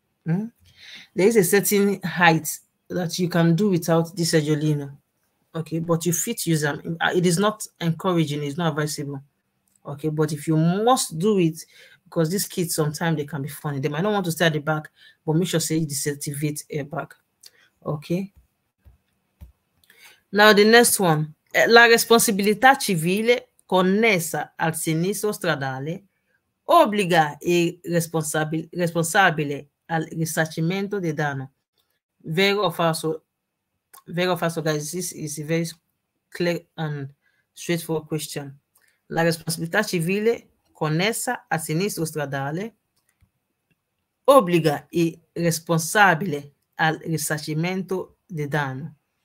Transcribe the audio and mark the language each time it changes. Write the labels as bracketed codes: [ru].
[en] There is a certain height that you can do without this Agelina. Okay, but you fit use them. It is not encouraging, it's not advisable. Okay, but if you must do it. Because these kids sometimes they can be funny. They might not want to stay at the back, but make sure say you deactivate airbag. Okay. Now the next one. [it] La responsabilità civile connessa al sinistro stradale obbliga il responsabile al risarcimento del danno. Vero o falso? Vero o falso, guys? [en] This is a very clear and straightforward question. [it] La responsabilità civile connessa a sinistro stradale obbliga il responsabile al risarcimento del danno.